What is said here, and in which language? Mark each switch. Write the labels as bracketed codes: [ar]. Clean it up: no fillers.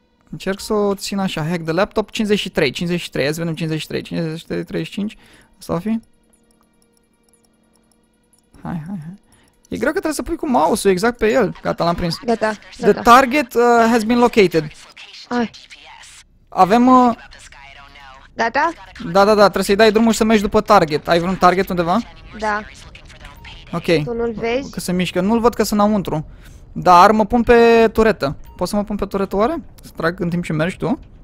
[ro] Încerc să o țin așa, hack de laptop, 53, azi vedem 53, 53, 35, asta va fi. Hai. E greu că trebuie să pui cu mouse-ul exact pe el, gata, l-am prins. Gata. [en] The target has been located. [ro] Ai. Avem... Gata? Da, trebuie să-i dai drumul și să mergi după target. Ai vreun target undeva? Da. Ok. Tu nu-l vezi? Că se mișcă. Nu-l văd că sunt înăuntru. Dar mă pun pe turetă. Poți să mă pun pe turetă oare? Să trag în timp ce mergi tu.